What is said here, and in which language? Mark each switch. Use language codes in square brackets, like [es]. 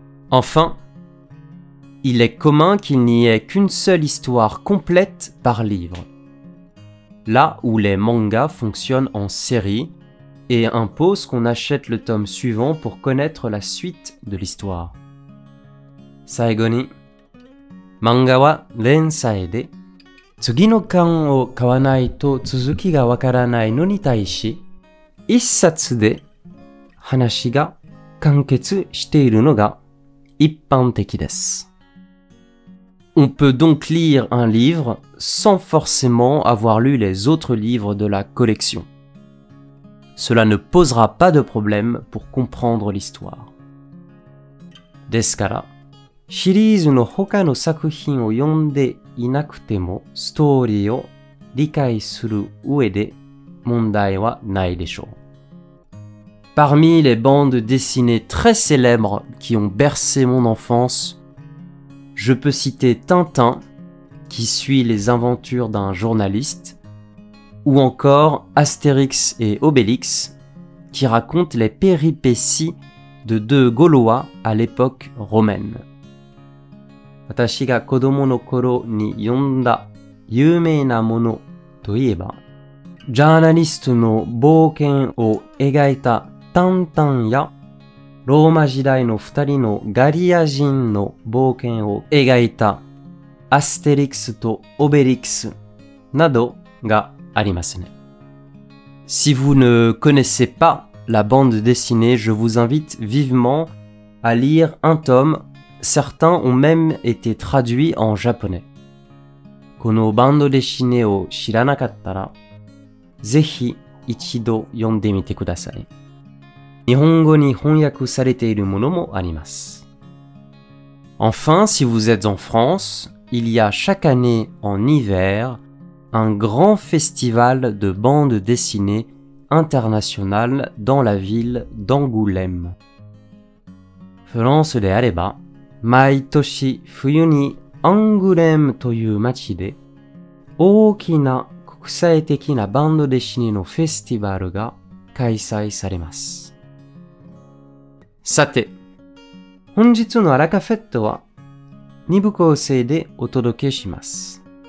[fr] Enfin,Il est commun qu'il n'y ait qu'une seule histoire complète par livre. Là où les mangas fonctionnent en série et imposent qu'on achète le tome suivant pour connaître la suite de l'histoire. [ja] 最後に、漫画は連載で、次の巻を買わないと続きがわからないのに対し、一冊で話が完結しているのが一般的です。 [fr] On peut donc lire un livre sans forcément avoir lu les autres livres de la collection. cela ne posera pas de problème pour comprendre l'histoire. [ja] ですから、シリーズの他の作品を読んでいなくても、ストーリーを理解する上で問題はないでしょう。 [fr] Parmi les bandes dessinées très célèbres qui ont bercé mon enfance, je peux citer Tintin, qui suit les aventures d'un journaliste, ou encore Astérix et Obélix, qui racontent les péripéties de deux Gaulois à l'époque romaine. [ja] 私が子供の頃に読んだ有名なものといえば、ジャーナリストの冒険を描いたタンタンや、ローマ時代の二人のガリア人の冒険を描いたアステリクスとオベリクスなどがありますね。 [fr] Si vous ne connaissez pas la bande dessinée, je vous invite vivement à lire un tome. Certains ont même été traduits en japonais. [ja] このバンドデシネを知らなかったら、ぜひ一度読んでみてください。日本語に翻訳されているものもあります。 [fr] Enfin, si vous êtes en France, il y a chaque année en hiver un grand festival de bande dessinée internationale dans la ville d'Angoulême. [ja] フランスであれば、毎年冬にアングレームという街で大きな国際的なバンドデシネのフェスティバルが開催されます。さて、本日のアラカフェットは二部構成でお届けします。